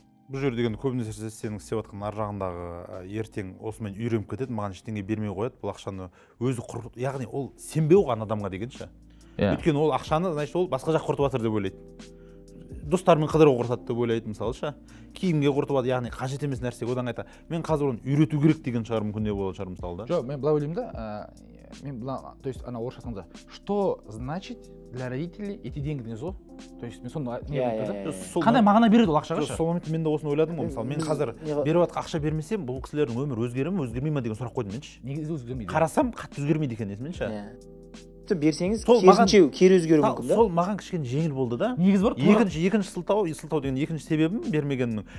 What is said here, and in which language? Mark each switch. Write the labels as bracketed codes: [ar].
[kk] бұл жерде енді көп нәрсе сенің істеп отқан ар жағындағы ертең осымен үйреніп кетеді, маған ештеңе бермей қояды, бұл ақшаны өзі құр, яғни ол сенбеу ғой адамға дегенше. Өйткені ол ақшаны, значит, ол басқа жақ құртып отыр деп ойлайды. Достарымен қыдыруға құртады деп ойлайды мысалыша. Кейінге құртады, яғни қажет емес нәрсе, одан айта. Мен қазір оны үйрету керек деген шығар, мүмкін де болар шығар мысалда. Жоқ, мен бұлай ойлаймын да, мен бұл, то есть, ана орысшасында, [ru] что значит для родителей эти деньги внизу? [kk] То есть, мен соны не айтамын. Қандай мағына береді ол ақшаға? Сол момент мен де осыны ойладым ғой, мысалы, мен қазір беріп отқан ақша бермесем, бұл кісілердің өмірі өзгереме, өзгермей ме деген сұрақ қойдым менші. Негізі өзгермейді. Қарасам, қатты өзгермейді екен дейсің менші. Берсеңіз керісінше кері өзгеру мүмкін да? Сол маған кішкене жеңіл болды да. Негіз бар, екінші сылтау, сылтау деген екінші себебім бермегенімнің.